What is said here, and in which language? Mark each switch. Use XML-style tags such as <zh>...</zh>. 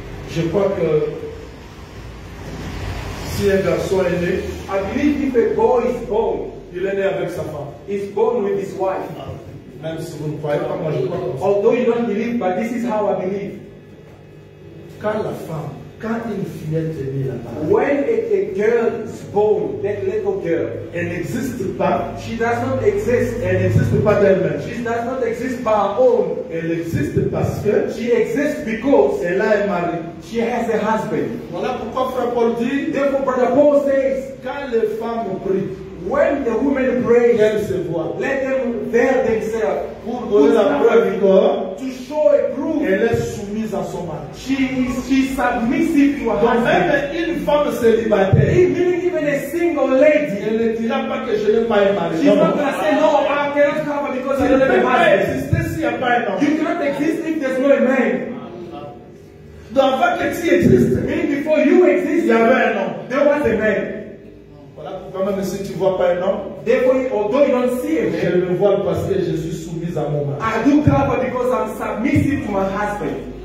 <fr>Je crois que si un garçon est né,</fr> <en>I believe if a boy is born,</en> <fr>il est né avec sa femme.</fr> <en>He's born with his wife.</en> <fr>Même si vous ne croyez pas, moi je crois.</fr> <en>Although you don't believe, but this is how I believe.</en> <fr>Quand la femme. Quand une fillette est née là-bas.</fr> <en>When a girl is born, that little girl,</en> <fr>elle n'existe pas.</fr> <en>She does not exist.</en> <fr>Elle n'existe pas d'elle-même.</fr> <en>She does not exist by her own.</en> <fr>Elle existe parce que.</fr> <en>She exists because.</en> <fr>Elle a un mari.</fr> <en>She has a husband.</en> <fr>Voilà pourquoi Frère Paul dit.</fr> <en>Therefore, Brother Paul says,</en> <fr>quand les femmes prient.</fr> <en>When the women pray, let them veil themselves.</en> <fr>Pour donner la preuve que,</fr> <en>to show a proof,</en> <fr>elle est soumise à son mari.</fr> <en>She is submissive to her</en> <fr>donc</fr> <en>husband.</en> <fr>Même une femme célibataire,</fr> <en>even a single lady,</en> <fr>elle ne dira pas que je n'ai pas un mari.</fr> <en>She's not gonna say no, I cannot cover because I don't have a husband. You cannot exist if there's no man.</en> <fr>Donc avant que tu existes,</fr> <en>mean before you exist,</en> <fr>il y avait un homme.</fr> <en>There was a man.</en> <fr>Quand même si tu ne vois pas un homme,</fr> <en>although you don't see him,</en> <fr>je le vois parce que je suis soumise à mon mari.</fr> <en>I do cover because I'm submissive to my husband.</en>